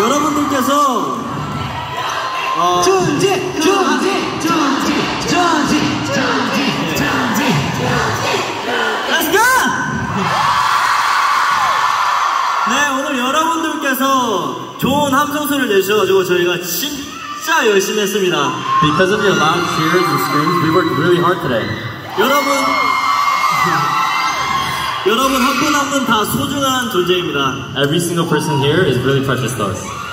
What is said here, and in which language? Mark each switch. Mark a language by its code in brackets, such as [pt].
[ko] 여러분들께서 준재, 준재, 준재, 준재, 준재, 준재, 준재. 네, 오늘 여러분들께서 좋은 함성소리를 내주셔가지고 저희가 진짜 열심히 했습니다. [en] Because of your loud cheers and screams, we worked really hard today. [ko] 여러분, 여러분 한 분 한 분 다 소중한 존재입니다. [en] Every single person here is really precious to us.